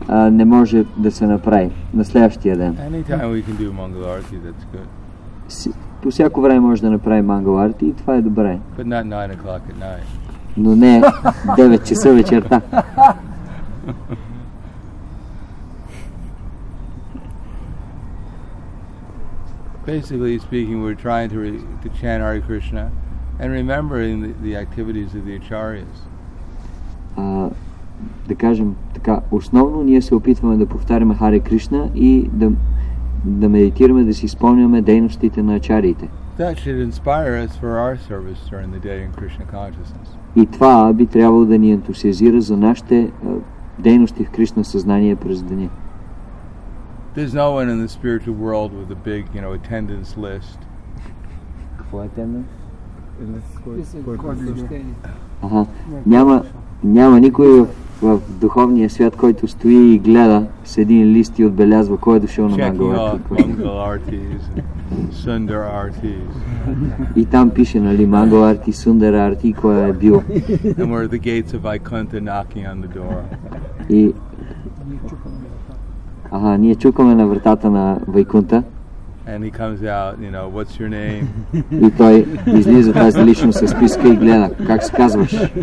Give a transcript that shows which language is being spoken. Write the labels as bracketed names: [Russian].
[Bulgarian] Не може да се направи на следващия ден. [English] Anytime we can do Mangalarti, that's good. [Bulgarian] По всяко време може да направи Мангаларти и това е добре. [English] But not 9 o'clock at night. [Bulgarian] Но не 9 часа вечерта. [English] Basically speaking, we're trying to chant Hare Krishna and remembering the activities of the acharyas. [Bulgarian] Да кажем така, основно ние се опитваме да повтаряме Харе Кришна и да медитираме, да си спомняме дейностите на ачариите. [English] That should inspire us for our service during the day in Krishna consciousness. [Bulgarian] И това би трябвало да ни ентусиазира за нашите дейности в Кришна съзнание през деня. [English] There's no one in the spiritual world with a big, you know, attendance list. [Bulgarian] Какво е [English] attendance? [Bulgarian] Ага, няма никой в духовния свят, който стои и гледа с един лист и отбелязва кой е дошъл на Мангаларти. И там пише, нали, Мангаларти, Сундарарти, кой е бил. [English] And where the gates of Vaikuntha knocking on the door. [Bulgarian] И... Ага, ние чукаме на вратата на Вайкунта. [English] And he comes out, you know, what's your name? [Bulgarian] И той излиза тази личност със списка и гледа, как се казваш?